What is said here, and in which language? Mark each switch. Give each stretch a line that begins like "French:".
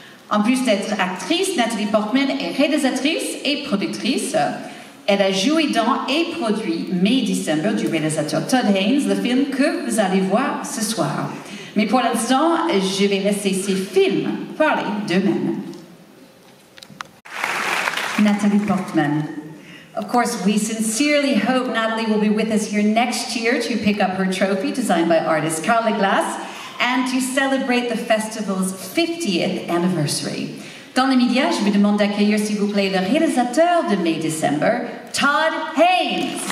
French: En plus d'être actrice, Natalie Portman est réalisatrice et productrice. Elle a joué dans et produit May December du réalisateur Todd Haynes, le film que vous allez voir ce soir. Mais pour l'instant, je vais laisser ces films parler d'eux-mêmes. Natalie Portman.
English: Of course, we sincerely hope Natalie will be with us here next year to pick up her trophy designed by artist Carla Glass and to celebrate the festival's 50th anniversary.
French: Dans les médias, je vous demande d'accueillir, s'il vous plaît, le réalisateur de May December, Todd Haynes.